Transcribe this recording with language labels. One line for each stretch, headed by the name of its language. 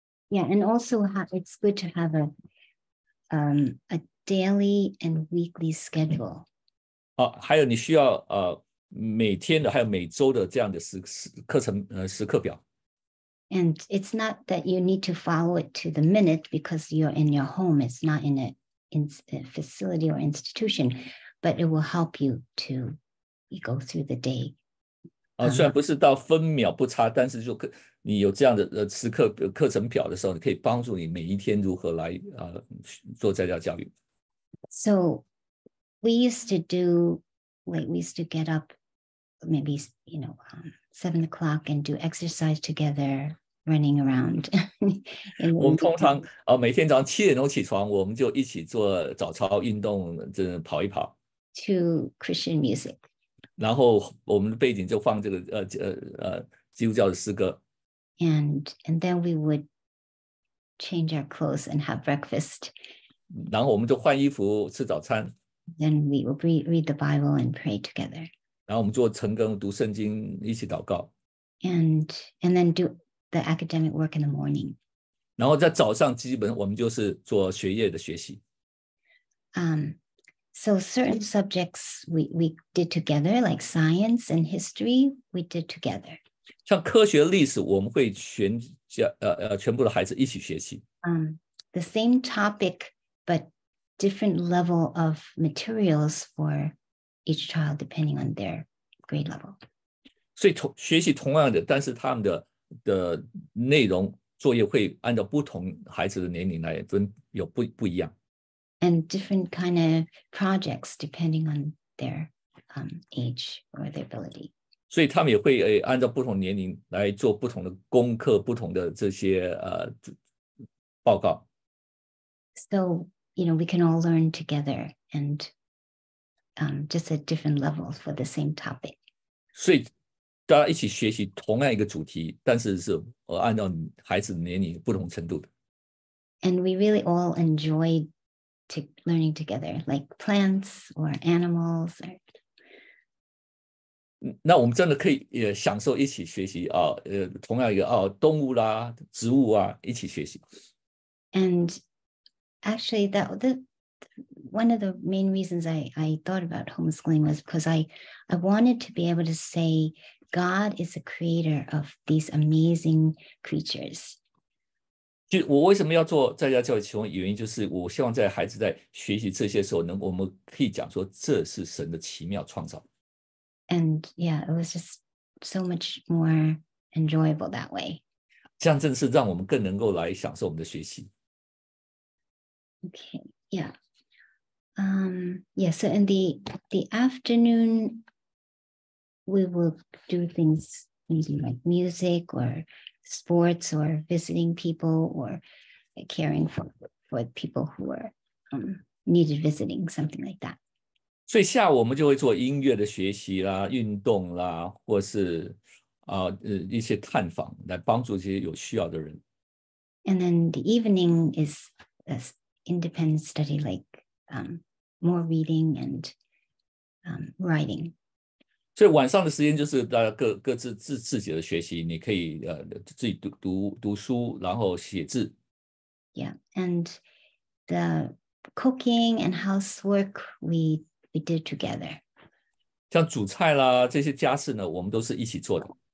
English: Yeah, and also it's good to have a daily and weekly schedule.
Chinese: 哦，还有你需要每天的，还有每周的这样的课程时刻表。
English: And it's not that you need to follow it to the minute because you're in your home. It's not in a facility or institution, but it will help you to go through the day.
Chinese: 哦，虽然不是到分秒不差，但是就可。你有这样的时刻课程表的时候，你可以帮助你每一天如何来做在家教育。
English: So we used to do, like we used to get up, maybe you know, 7 o'clock and do exercise together, running around.
Chinese: 我们通常每天早上7点钟起床，我们就一起做早操运动，这跑一跑。
English: To Christian music.
Chinese: 然后我们的背景就放这个基督教的诗歌。
English: And then we would change our clothes and have breakfast.
Chinese: 然后我们就换衣服吃早餐。
English: Then we would read the Bible and pray together.
Chinese: 然后我们做晨更，读圣经，一起祷告。
English: And then do the academic work in the morning.
Chinese: 然后在早上基本我们就是做学业的学习。
English: So certain subjects we did together, like science and history, we did together.
Chinese: 像科学历史我们会全部的孩子一起学习。
English: The same topic, but different level of materials for each child depending on their grade level.
Chinese: 所以学习同样的，但是他们的内容作业会按照不同孩子的年龄来分，有不一样。
English: And different kind of projects depending on their age or their ability.
Chinese: 所以他们也会按照不同年龄来做不同的功课，不同的这些报告。
English: So, you know, we can all learn together and just at different levels for the same topic.
Chinese: 所以大家一起学习同样一个主题，但是是按照孩子的年龄不同程度的。
English: And we really all enjoy learning together, like plants or animals or...
Chinese: 那我们真的可以也享受一起学习啊，同样一个啊，动物啦、植物啊，一起学习。
English: And actually, that the one of the main reasons I thought about homeschooling was because I wanted to be able to say God is the creator of these amazing creatures.
Chinese: 就我为什么要做在家教育，其中原因就是我希望在孩子在学习这些时候，我们可以讲说这是神的奇妙创造。
English: And yeah, it was just so much more enjoyable that way.
Chinese: 这样正是让我们更能够来享受我们的学习。
English: Okay, yeah. Yeah, so in the afternoon, we will do things maybe like music or sports or visiting people or caring for people who are needed visiting, something like that.
Chinese: 所以下午我们就会做音乐的学习啦，运动啦，或是一些探访，来帮助这些有需要的人。
English: And then the evening is an independent study, like more reading and writing.
Chinese: 所以晚上的时间就是大家各自己的学习，你可以自己读书，然后写字。
English: Yeah, and the cooking and housework we did together.
Chinese: 像煮菜啦，这些家事呢，我们都是一起做的。